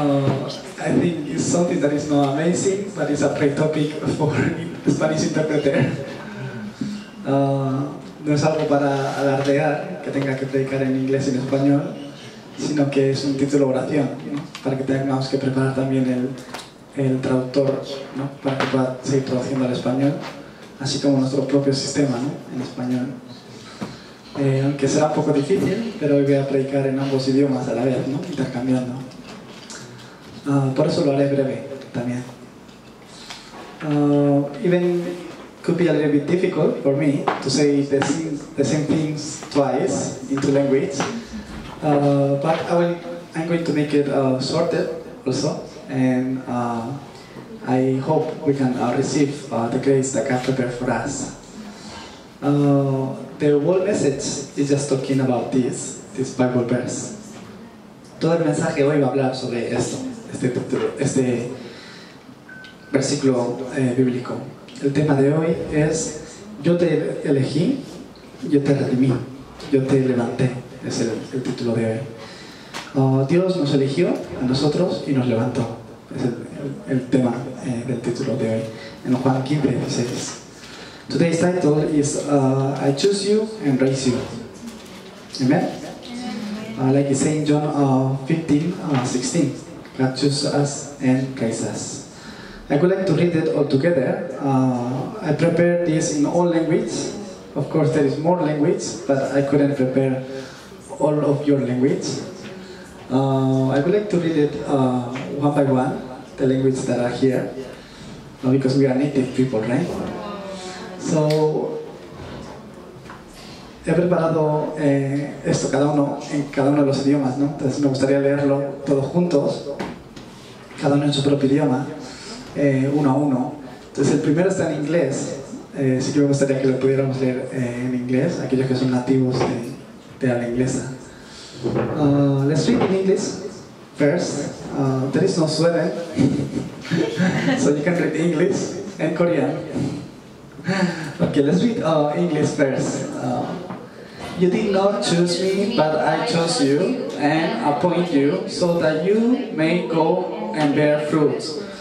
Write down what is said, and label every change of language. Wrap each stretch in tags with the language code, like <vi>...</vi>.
<en>I think it's something that is not amazing, but it's a great topic for Spanish interpreter.</en> <es>No es algo para alardear que tenga que predicar en inglés y en español, sino que es un título de oración, ¿no? Para que tengamos que preparar también el traductor, ¿no? Para que pueda seguir traduciendo al español, así como nuestro propio sistema, ¿no? En español. Aunque será un poco difícil, pero hoy voy a predicar en ambos idiomas a la vez, ¿no? Intercambiando. Por eso lo haré breve también.</es> <en>Could be a little bit difficult for me to say the same things twice in two languages, but I'm going to make it sorted also, and I hope we can receive the grace that God prepared for us. The whole message is just talking about this Bible verse.</en> <es>Todo el mensaje hoy va a hablar sobre esto, este versículo bíblico. El tema de hoy es, yo te elegí, yo te redimí, yo te levanté, es el título de hoy. Dios nos eligió a nosotros y nos levantó, es el tema del título de hoy, en Juan 15, 16.</es> <en>Today's title is, I choose you and raise you. Amen? Like it's saying John 15, 16, God chooses us and raises us. I would like to read it all together. I prepared this in all languages. Of course, there is more language, but I couldn't prepare all of your language. I would like to read it one by one, the languages that are here, because we are native people, right?</en> <es>So, he preparado esto cada uno en cada uno de los idiomas, ¿no? Entonces me gustaría leerlo todos juntos, cada uno en su propio idioma. Uno a uno. Entonces el primero está en inglés, sí que me gustaría que lo pudiéramos leer en inglés, aquellos que son nativos de la inglesa.</es> <en>Let's read in English first. There is no Sweden, so you can read English and Korean. Okay, let's read English first. You did not choose me, but I chose you and appoint you so that you may go and bear fruits.</en>